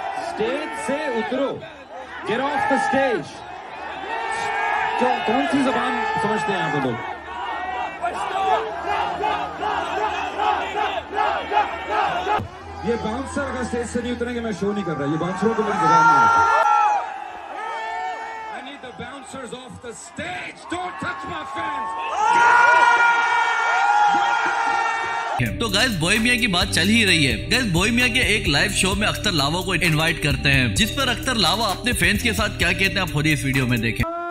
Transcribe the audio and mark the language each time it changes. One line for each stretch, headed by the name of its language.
Hindi: Stage से उतरो,
English: Get off the stage.
Hindi: कौन सी जबान समझते हैं आप लोग? ये बाउंसर अगर स्टेज से नहीं उतरेंगे, मैं शो नहीं कर रहा। ये बाउंसरों को मेरी जगह नहीं है।
English: I need the bouncers off the stage. Don't touch my fans.
Hindi: तो गाइस, बोहेमिया की बात चल ही रही है। गाइस, बोहेमिया के एक लाइव शो में अख्तर लावा को इनवाइट करते हैं, जिस पर अख्तर लावा अपने फैंस के साथ क्या कहते हैं आप खुद इस वीडियो में देखें।